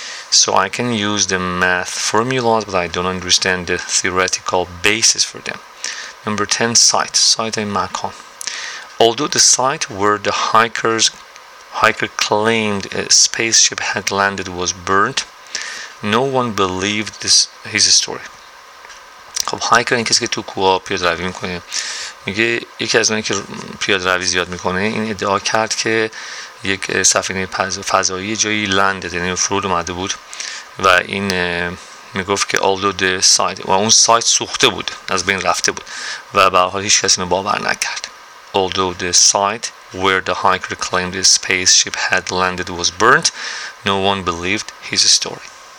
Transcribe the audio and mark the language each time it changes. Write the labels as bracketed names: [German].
[English] So I can use the math formulas but I don't understand the theoretical basis for them. Number 10, site. Site in Macon. Although the site where the hiker claimed a spaceship had landed was burnt, no one believed his story. [Persian] خب هایکر این کسی که تو کوه پیاده روی میکنه میگه یکی از اونایی که پیاده روی زیاد میکنه این ادعا کرد که یک سفینه فضایی جایی لندد یعنی فرود اومده بود و این میگفت که [English] although the site [Persian] و اون سایت سوخته بود از بین رفته بود و به هر حال هیچ کسی اینو باور نکرد. [English] Although the site where the hiker claimed his spaceship had landed was burnt, no one believed his story.